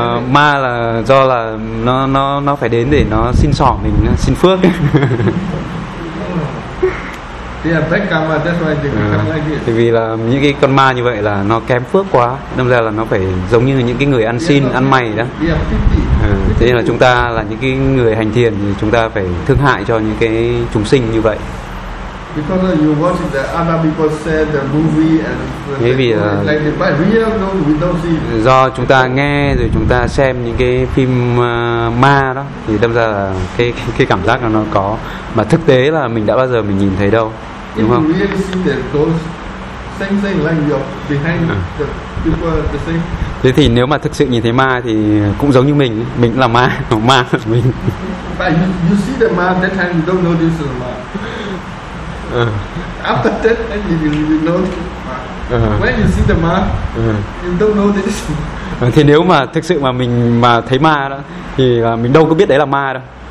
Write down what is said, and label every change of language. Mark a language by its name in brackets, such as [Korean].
[Vietnamese] Ma là do là nó phải đến để nó xin xỏ mình, xin phước. [English] Yeah, bad karma, that's why they become like this. [Vietnamese] Vì là những cái con ma như vậy là nó kém phước quá, đâm ra là nó phải giống như những cái người ăn xin, ăn mày đó. Thế nên là chúng ta là những cái người hành thiền thì chúng ta phải thương hại cho những cái chúng sinh như vậy. [English] Because you watch the other people say the movie and maybe like but we don't see. [Vietnamese] Do chúng ta nghe rồi chúng ta xem những cái phim ma đó thì đâm ra là cái cảm giác nó có, mà thực tế là mình đã bao giờ mình nhìn thấy đâu, đúng không? [English] If you really see that those same thing like you're behind the people the same. [Vietnamese] Thế thì nếu mà thực sự nhìn thấy ma thì cũng giống như mình là ma, ma mình. [English] But you see the ma that time you don't know this is ma. After that, you know, when you see the ma, you don't know this. [Vietnamese] Thì nếu mà thực sự mà mình mà thấy ma đó, thì mình đâu có biết đấy là ma đâu.